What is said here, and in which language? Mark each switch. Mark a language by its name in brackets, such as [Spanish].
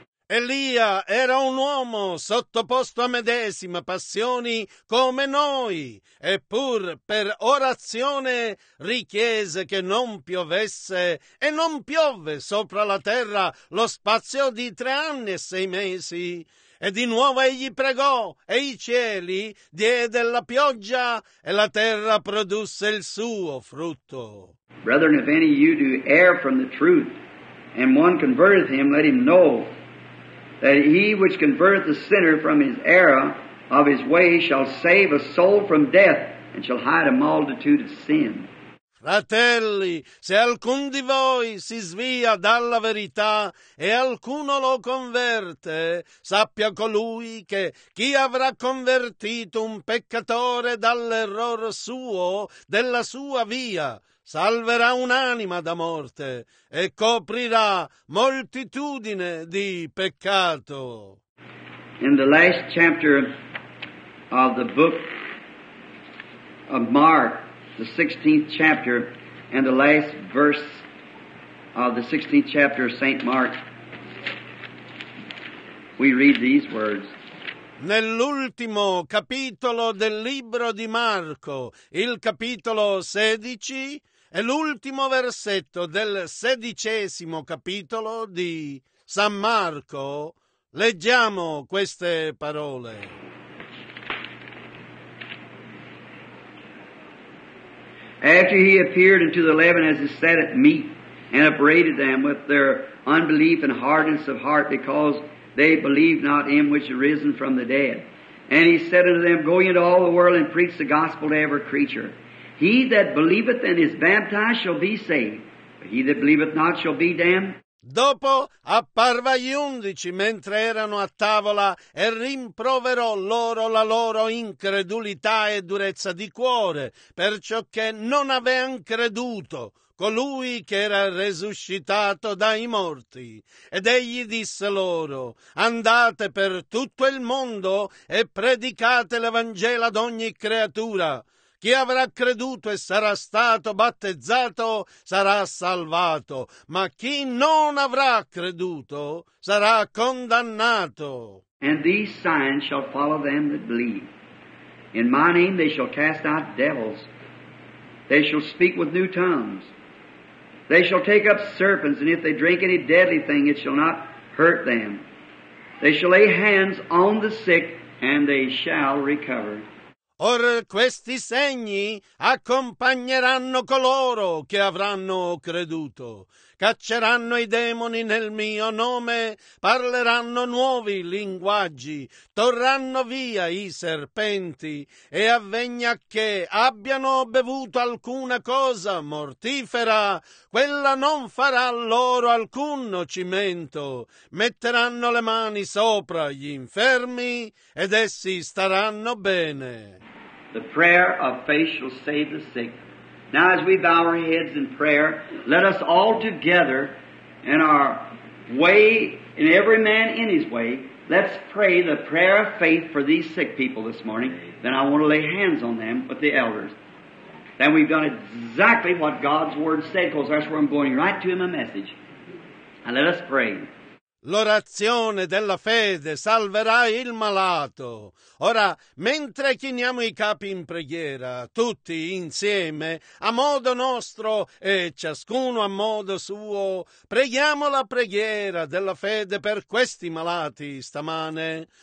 [Italian] Elia era un uomo sottoposto a medesima passioni come noi, eppur per orazione richiese che non piovesse, e non piove sopra la terra lo spazio di 3 anni e 6 mesi. E di nuovo egli pregò, e i cieli diede la pioggia, e la terra produsse il suo frutto. [English] Brethren, if any of you do err from the truth, and one converteth him, let him know that he which converteth the sinner from his error of his way shall save a soul from death, and shall hide a multitude of sin. [Italian] Fratelli, se alcun di voi si svia dalla verità e alcuno lo converte, sappia colui che chi avrà convertito un peccatore dall'error suo, della sua via, salverà un'anima da morte e coprirà moltitudine di peccato. [English] In the last chapter of the book of Mark, the 16th chapter, and the last verse of the 16th chapter of St. Mark, we read these words. [Italian] Nell'ultimo capitolo del libro di Marco, il capitolo 16, è l'ultimo versetto del 16° capitolo di San Marco. Leggiamo queste parole. [English] After he appeared unto the 11 as he sat at meat, and upbraided them with their unbelief and hardness of heart, because they believed not him which had risen from the dead. And he said unto them, Go into all the world and preach the gospel to every creature. He that believeth and is baptized shall be saved, but he that believeth not shall be damned. [Italian] Dopo apparve agli undici mentre erano a tavola e rimproverò loro la loro incredulità e durezza di cuore, perciò che non avean creduto colui che era resuscitato dai morti. Ed egli disse loro: andate per tutto il mondo e predicate l'Evangelo ad ogni creatura. Chi avrà creduto e sarà stato battezzato sarà salvato, ma chi non avrà creduto sarà condannato. [English] And these signs shall follow them that believe. In my name they shall cast out devils. They shall speak with new tongues. They shall take up serpents, and if they drink any deadly thing, it shall not hurt them. They shall lay hands on the sick, and they shall recover. [Italian] Or questi segni accompagneranno coloro che avranno creduto. Cacceranno i demoni nel mio nome, parleranno nuovi linguaggi, torranno via i serpenti, e avvegna che abbiano bevuto alcuna cosa mortifera, quella non farà loro alcun nocimento. Metteranno le mani sopra gli infermi ed essi staranno bene. [English] The prayer of faith shall save the sick. Now as we bow our heads in prayer, let us all together in our way, in every man in his way, let's pray the prayer of faith for these sick people this morning. Then I want to lay hands on them with the elders. Then we've done exactly what God's Word said, because that's where I'm going, right to him a message. And let us pray. [Italian] L'orazione della fede salverà il malato. Ora, mentre chiniamo i capi in preghiera, tutti insieme, a modo nostro e ciascuno a modo suo, preghiamo la preghiera della fede per questi malati stamane.